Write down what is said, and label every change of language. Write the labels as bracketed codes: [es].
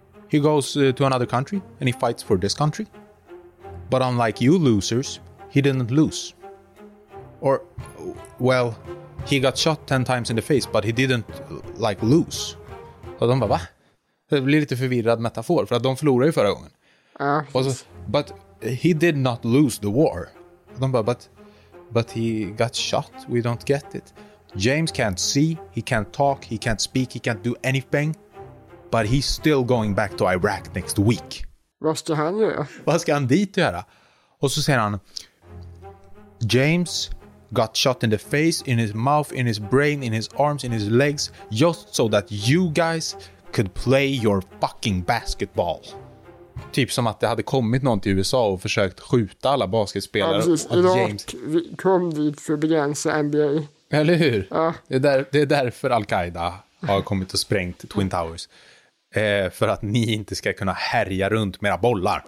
[en] He goes to another country and he fights for this country. But unlike you losers, he didn't lose. Or, well, he got shot 10 times in the face, but he didn't, like, lose. [sv] Och de bara, va? Det blir lite förvirrad metafor, för att de förlorade ju förra gången. Och så, [en] but he did not lose the war. [sv] Och de bara, [en] but he got shot, we don't get it. James can't see, he can't talk, he can't speak, he can't do anything. But he's still going back to Iraq next week. [sv] Vad ska han göra? Vad ska han dit göra? Och så säger han, [en] James got shot in the face, in his mouth, in his brain, in his arms, in his legs, just so that you guys could play your fucking basketball. [sv] Typ som att det hade kommit någon till USA och försökt skjuta alla basketspelare. Ja, precis. Idag James... kom dit för att begränsa NBA. Eller hur? Ja. Det är därför Al-Qaida har kommit och sprängt Twin Towers. För att ni inte ska kunna härja runt med era bollar.